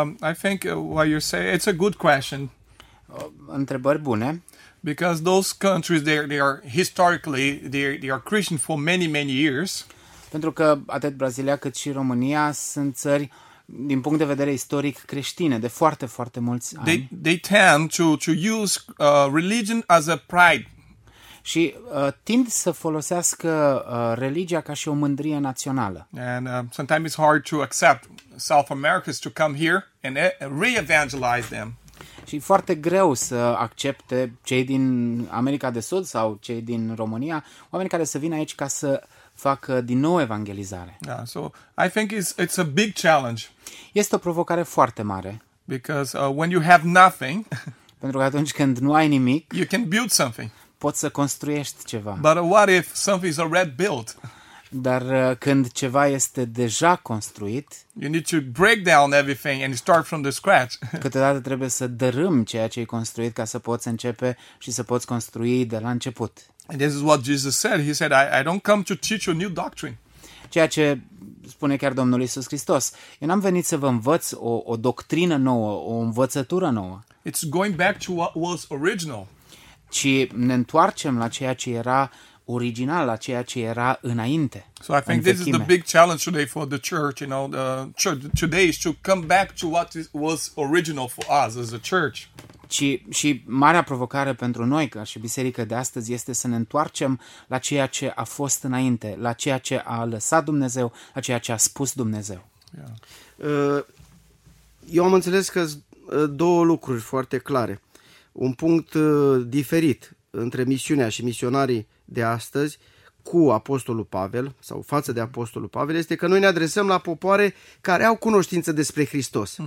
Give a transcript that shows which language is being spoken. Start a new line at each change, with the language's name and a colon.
English: I think what you say, it's a good question.
Romanian: Întrebări bune.
English: Because those countries, they are historically Christian for many, many years.
Romanian: Pentru că atât Brazilia cât și România sunt țări, din punct de vedere istoric, creștine, de foarte, foarte mulți ani.
English: They tend to use religion as a pride.
Romanian: Și tind să folosească religia ca și o mândrie națională.
English: And sometimes it's hard to accept South Americans to come here and re-evangelize them.
Romanian: Și foarte greu să accepte cei din America de Sud sau cei din România, oamenii care să vină aici ca să facă din nou evangelizare.
English: Yeah, so I think it's a big challenge.
Romanian: Este o provocare foarte mare.
English: Because when you have nothing,
Romanian: pentru că atunci când nu ai nimic,
English: you can build something.
Romanian: poți să construiești ceva.
English: But what if something is already built?
Romanian: Dar când ceva este deja construit,
English: you need to break down everything and start from the scratch.
Romanian: Câteodată trebuie să dărâm ceea ce e construit ca să poți începe și să poți construi de la început.
English: And this is what Jesus said. He said, I don't come to teach you a new doctrine.
Romanian: Ceea ce spune chiar Domnul Iisus Hristos. Eu n-am venit să vă învăț o doctrină nouă, o învățătură nouă.
English: It's going back to what was original.
Romanian: Ci ne întoarcem la ceea ce era original, la ceea ce era înainte.
English: So I think this is the big challenge today for the church, you know, the church today is to come back to what was original for us as a church.
Romanian: Și marea provocare pentru noi ca și biserică de astăzi este să ne întoarcem la ceea ce a fost înainte, la ceea ce a lăsat Dumnezeu, la ceea ce a spus Dumnezeu. Eu am înțeles că două lucruri foarte clare. Un punct diferit între misiunea și misionarii de astăzi cu Apostolul Pavel sau față de Apostolul Pavel este că noi ne adresăm la popoare care au cunoștință despre Hristos, mm-hmm.